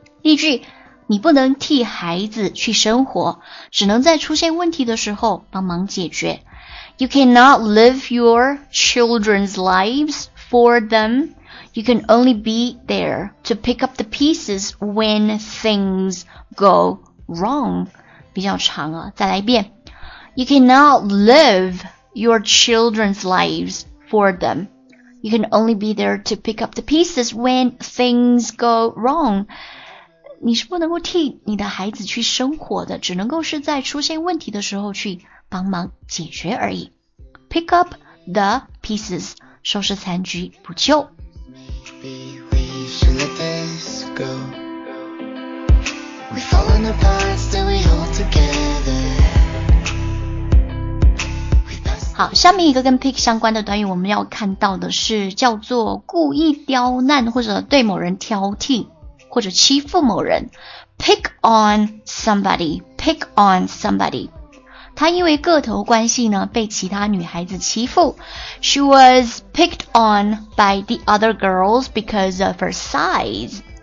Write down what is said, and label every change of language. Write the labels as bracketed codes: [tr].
[zh] 例句，你不能替孩子去生活，只能在出现问题的时候帮忙解决。 [en] You cannot live your children's lives for them. You can only be there to pick up the pieces when things go wrong. [zh] 比较长啊，再来一遍。 [en] You cannot live your children's lives for them. You can only be there to pick up the pieces when things go wrong. [zh] 你是不能够替你的孩子去生火的，只能够是在出现问题的时候去帮忙解决而已。 Pick up the pieces, 收拾残局，补救。 [en] We've fallen apart, still we hold together. [zh] 好，下面一个跟 pick 相关的短语我们要看到的是叫做故意刁难或者对某人挑剔或者欺负某人。 [en] Pick on somebody, pick on somebody. [zh] 她因为个头关系呢被其他女孩子欺负。 [en] She was picked on by the other girls because of her size.